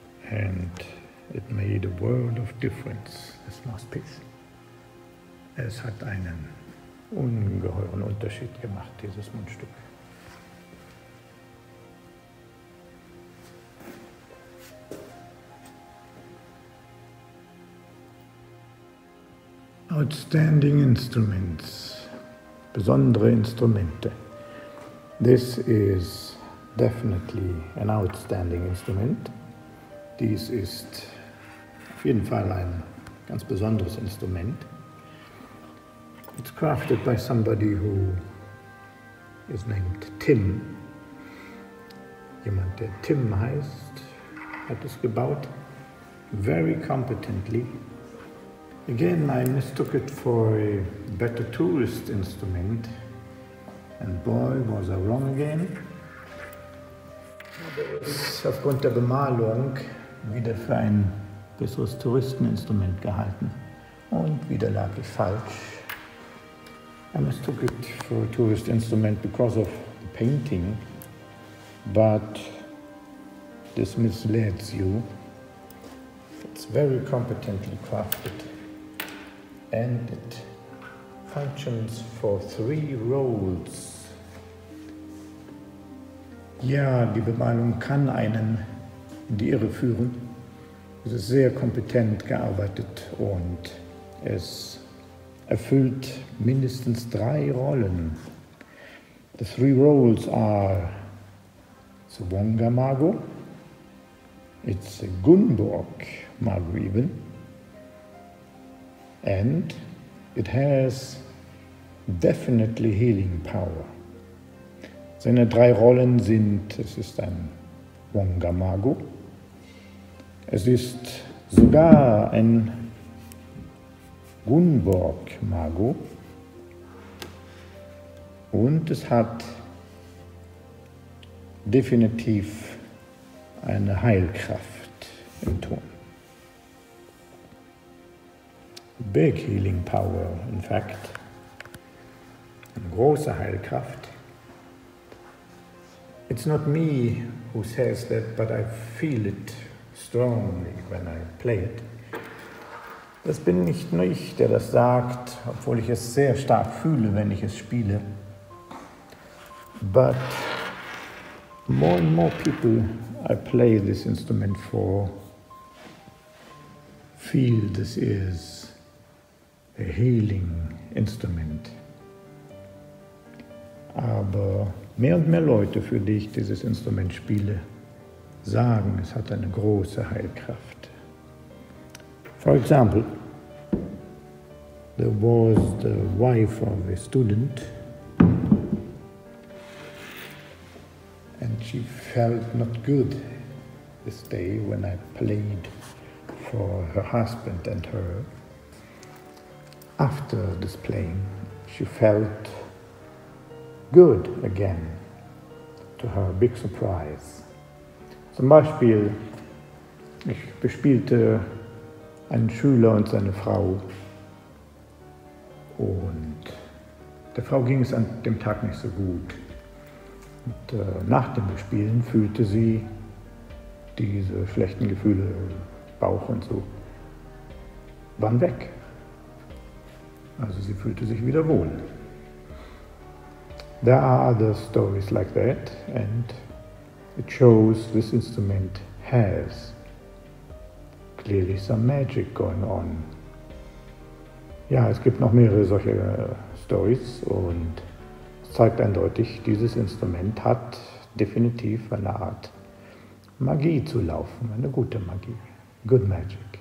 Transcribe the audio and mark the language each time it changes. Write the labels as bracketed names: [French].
[English] And it made a world of difference, this mouthpiece. [German] Es hat einen ungeheuren Unterschied gemacht, dieses Mundstück. [English] Outstanding instruments. [German] Besondere Instrumente. [English] This is definitely an outstanding instrument. [German] Dies ist auf jeden Fall ein ganz besonderes Instrument. [English] It's crafted by somebody who is named Tim. [German] Jemand, der Tim heißt, hat es gebaut. [English] Very competently. Again, I mistook it for a better tourist instrument. And boy, was I wrong again. [German] Aufgrund der Bemalung wieder für ein besseres Touristeninstrument gehalten. Und wieder lag ich falsch. [English] I mistook it for a tourist instrument because of the painting. But this misleads you. It's very competently crafted. And it functions for three roles. [German] Ja, die Bemalung kann einen in die Irre führen. Es ist sehr kompetent gearbeitet und es erfüllt mindestens drei Rollen. [English] The three roles are the Wonga Mago, it's a Gunborg Mago even, and it has definitely healing power. [German] Seine drei Rollen sind, es ist ein Wonga Mago, es ist sogar ein Gunborg Mago und es hat definitiv eine Heilkraft im Ton. [English] Big healing power, in fact. [German] Eine große Heilkraft. [English] It's not me who says that, but I feel it strongly when I play it. [German] Das bin nicht nur ich, der das sagt, obwohl ich es sehr stark fühle, wenn ich es spiele. [English] But more and more people I play this instrument for feel this is a healing instrument. [German] Aber mehr und mehr Leute, für die ich dieses Instrument spiele, sagen, es hat eine große Heilkraft. [English] For example, there was the wife of a student and she felt not good this day when I played for her husband and her. After this playing, she felt good again, to her big surprise. [German] Zum Beispiel, ich bespielte einen Schüler und seine Frau. Und der Frau ging es an dem Tag nicht so gut. Und nach dem Bespielen fühlte sie diese schlechten Gefühle, Bauch und so, waren weg. Also sie fühlte sich wieder wohl. [English] There are other stories like that, and it shows this instrument has clearly some magic going on. [German] Ja, es gibt noch mehrere solche Stories und es zeigt eindeutig, dieses Instrument hat definitiv eine Art Magie zu laufen, eine gute Magie, [English] good magic.